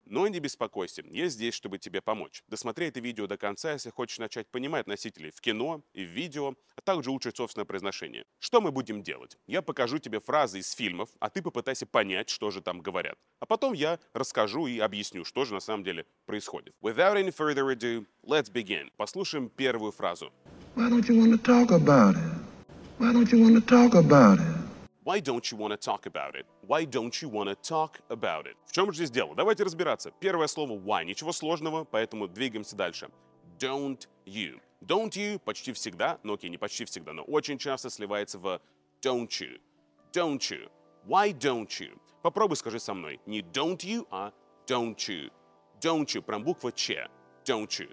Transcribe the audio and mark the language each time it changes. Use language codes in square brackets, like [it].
[ru] Но не беспокойся, я здесь, чтобы тебе помочь. Досмотри это видео до конца, если хочешь начать понимать носителей в кино и в видео, а также улучшить собственное произношение. Что мы будем делать? Я покажу тебе фразы из фильмов, а ты попытайся понять, что же там говорят. А потом я расскажу и объясню, что же на самом деле происходит. [en] Without any further ado, let's begin. [ru] Послушаем первую фразу. [en] Why don't you want to talk about it? Why don't you want to talk about it? Why don't you want to talk about it? Why don't you want to talk about it? [ru] В чем же здесь дело? Давайте разбираться. Первое слово why. Ничего сложного, поэтому двигаемся дальше. [en] Don't you. [ru] Don't you почти всегда, ну окей, не почти всегда, но очень часто сливается в don't you. Don't you. [en] Why don't you? [ru] Попробуй скажи со мной. Не [en] don't you, [ru] а don't you. Don't you. Прям буква Ч. Don't you.